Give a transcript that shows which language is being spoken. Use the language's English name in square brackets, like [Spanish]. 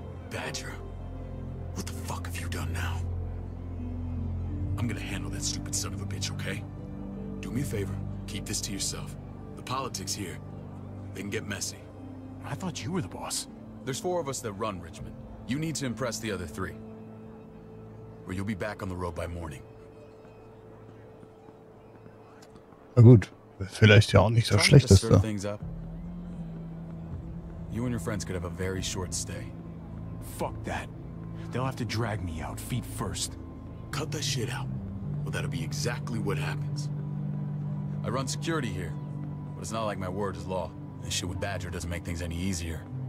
[English] Badger, what the fuck have you done now? I'm gonna handle that stupid son of a bitch, okay? Do me a favor, keep this to yourself. The politics here, they can get messy. I thought you were the boss. There's four of us that run Richmond. You need to impress the other three, or you'll be back on the road by morning. [German] Na gut, vielleicht ja auch nicht das Schlechteste. [English] You and your friends could have a very short stay. Fuck that. They'll have to drag me out feet first. Cut that shit out. Well, that'll be exactly what happens. I run security here, but it's not like my word is law. This shit with Badger doesn't make things any easier.